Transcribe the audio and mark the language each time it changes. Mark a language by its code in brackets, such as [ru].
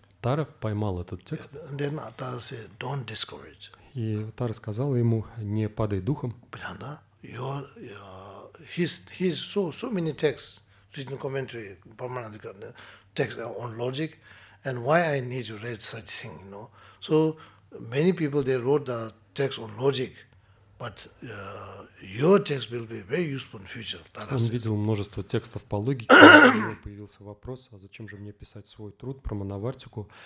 [ru] Тара поймал этот текст. [en] And then Tara said, don't discourage. [ru] И Тара сказал ему, не падай духом. Понятно, да? [en] Your, his so, so many texts, written commentary, Paramanadika, text on logic, and why I need to read such thing, you know. So many people, they wrote the text on logic, but your text will be very useful in future. [ru] Он видел множество текстов по логике, появился вопрос, а зачем же мне писать свой труд про Манавартику?